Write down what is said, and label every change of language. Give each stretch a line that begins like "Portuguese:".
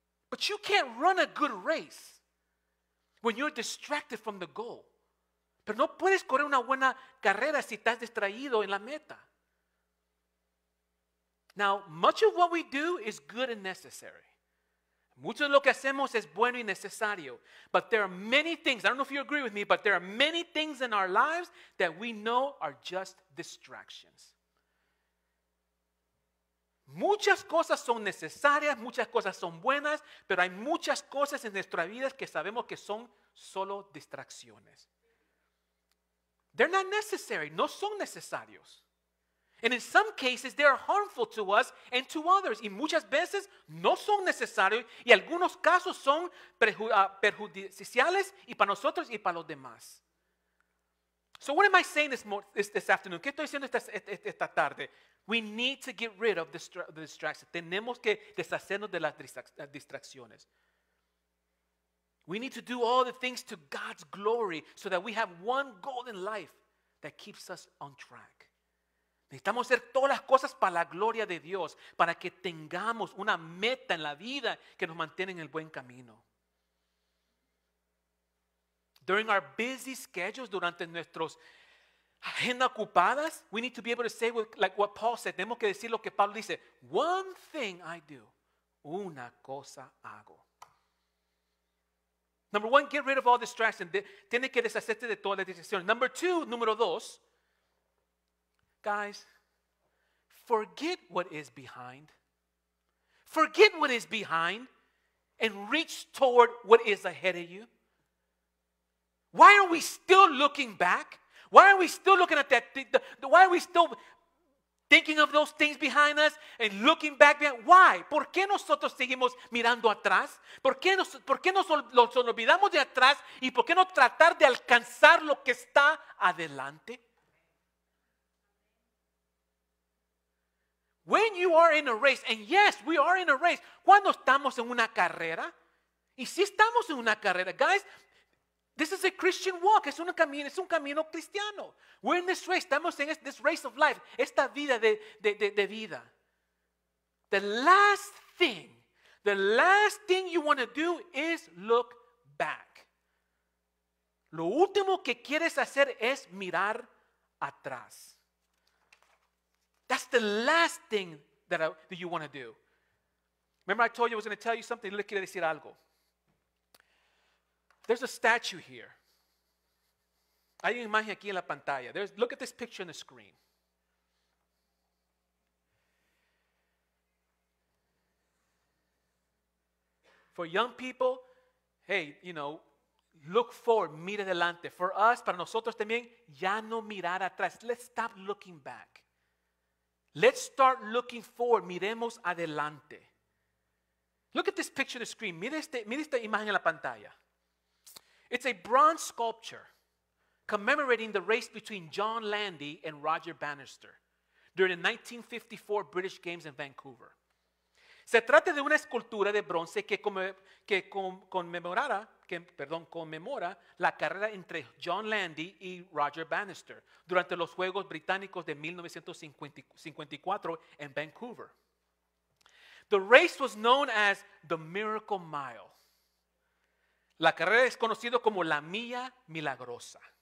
English: But you can't run a good race when you're distracted from the goal.
Spanish: Pero no puedes correr una buena carrera si estás distraído en la meta.
English: Now, much of what we do is good and necessary.
Spanish: Mucho de lo que hacemos es bueno y necesario.
English: But there are many things, I don't know if you agree with me, but there are many things in our lives that we know are just distractions.
Spanish: Muchas cosas son necesarias, muchas cosas son buenas, pero hay muchas cosas en nuestra vida que sabemos que son solo distracciones.
English: They're not necessary,
Spanish: no son necesarios.
English: And in some cases, they are harmful to us and to others.
Spanish: Y muchas veces no son necesarios. Y algunos casos son perjudiciales y para nosotros y para los demás.
English: So what am I saying this afternoon?
Spanish: ¿Qué estoy diciendo esta tarde?
English: We need to get rid of the distractions.
Spanish: Tenemos que deshacernos de las distracciones.
English: We need to do all the things to God's glory so that we have one goal in life that keeps us on track.
Spanish: Necesitamos hacer todas las cosas para la gloria de Dios, para que tengamos una meta en la vida que nos mantiene en el buen camino.
English: During our busy schedules,
Spanish: durante nuestras agendas ocupadas,
English: we need to be able to say like what Paul said.
Spanish: Tenemos que decir lo que Pablo dice.
English: One thing I do.
Spanish: Una cosa hago.
English: Number one, get rid of all distractions.
Spanish: Tiene que deshacerte de todas las distracciones.
English: Number two,
Spanish: número dos,
English: guys, forget what is behind. Forget what is behind and reach toward what is ahead of you. Why are we still looking back? Why are we still looking at that? Why are we still thinking of those things behind us and looking back? Why?
Spanish: ¿Por qué nosotros seguimos mirando atrás? ¿Por qué nos olvidamos de atrás? ¿Y por qué no tratar de alcanzar lo que está adelante?
English: When you are in a race, and yes, we are in a race.
Spanish: Cuando estamos en una carrera, y si estamos en una carrera,
English: guys, this is a Christian walk.
Spanish: Es un camino cristiano.
English: We're in this race.
Spanish: Estamos en
English: this race of life.
Spanish: Esta vida de vida.
English: The last thing you want to do is look back.
Spanish: Lo último que quieres hacer es mirar atrás.
English: That's the last thing that you want to do. Remember I told you I was going to tell you something.
Spanish: Yo le quiero decir algo.
English: There's a statue here.
Spanish: Hay una imagen aquí en la pantalla.
English: Look at this picture on the screen. For young people, hey, you know, look forward,
Spanish: mire adelante.
English: For us,
Spanish: para nosotros también, ya no mirar atrás.
English: Let's stop looking back. Let's start looking forward.
Spanish: Miremos adelante.
English: Look at this picture on the screen.
Spanish: Mire esta imagen en la pantalla.
English: It's a bronze sculpture commemorating the race between John Landy and Roger Bannister during the 1954 British Games in Vancouver.
Spanish: Se trata de una escultura de bronce que conmemora la carrera entre John Landy y Roger Bannister durante los Juegos Británicos de 1954 en Vancouver.
English: The race was known as the Miracle Mile.
Spanish: La carrera es conocida como la Milla Milagrosa.